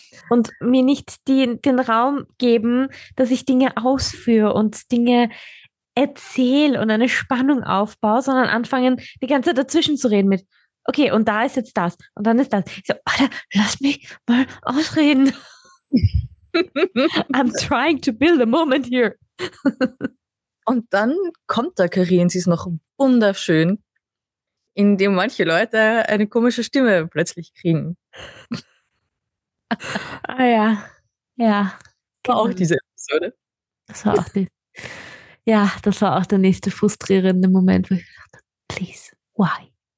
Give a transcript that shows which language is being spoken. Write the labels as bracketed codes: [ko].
[de] und mir nicht den Raum geben, dass ich Dinge ausführe und Dinge erzähle und eine Spannung aufbaue, sondern anfangen, die ganze Zeit dazwischen zu reden mit, okay, und da ist jetzt das und dann ist das. Ich so, Alter, lass mich mal ausreden. [en] I'm trying to build a moment here. [de] Und dann kommt da Karin, sie ist noch wunderschön, indem manche Leute eine komische Stimme plötzlich kriegen. Ah ja, ja. Genau. War auch diese Episode. Das war auch der nächste frustrierende Moment, wo ich dachte, [en] please, why?